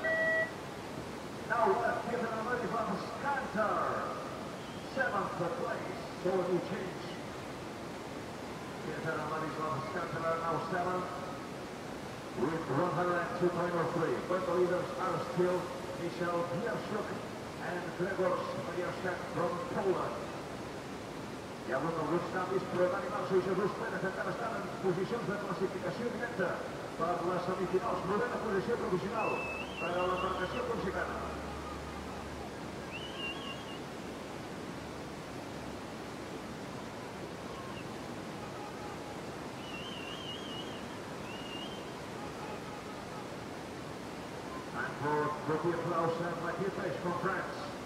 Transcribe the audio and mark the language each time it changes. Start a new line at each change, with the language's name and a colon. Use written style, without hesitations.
English: Now left here in America, Skantar, 7th place for the change. Here in America, Skantar are now 7th with 102.03. But the leaders are still Michel Bierschuk and Gregor Bierschuk from Poland.
Catalan: Hi ha hagut alguns canvis, però Dani Marzo i Jesús Pérez encara estan en posicions de classificació directa per les semifinals, novena posició provisional per a l'embarcació corsicana.
English: And for Petit Claus and Mathieu Peix from France.